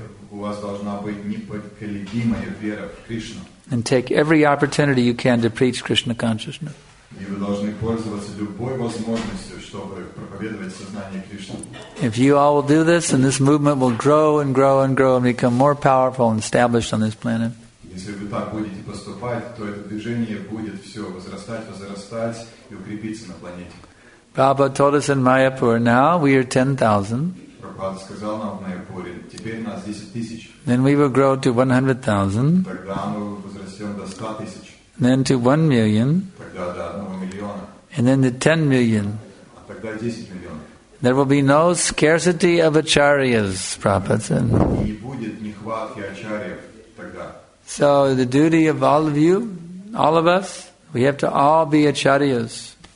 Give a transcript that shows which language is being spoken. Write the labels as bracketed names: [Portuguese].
[Russian] У вас должна быть непоколебимая вера в Кришну. [English] And take every opportunity you can to preach Krishna consciousness. [Russian] И вы должны пользоваться любой возможностью, чтобы проповедовать. [English] If you all will do this, then this movement will grow and grow and grow and become more powerful and established on this planet. [Russian] Если вы так будете поступать, то это движение будет все возрастать, возрастать и укрепиться на планете. [English] Prabhupada told us in Mayapur, now we are 10,000. [Russian] Prabhupada сказал нам в Майяпуре, теперь нас 10,000. [English] Then we will grow to 100,000. [Russian] Тогда мы возрастем до 100,000. [English] Then to 1,000,000. [Russian] Тогда до 1,000,000. [English] And then to 10,000,000. [Russian] А тогда 10,000,000. [English] There will be no scarcity of acharyas, Prabhupada said. [Russian] Не будет нехватки ачарьев тогда. [English] So the duty of all of you, all of us, we have to all be acharyas.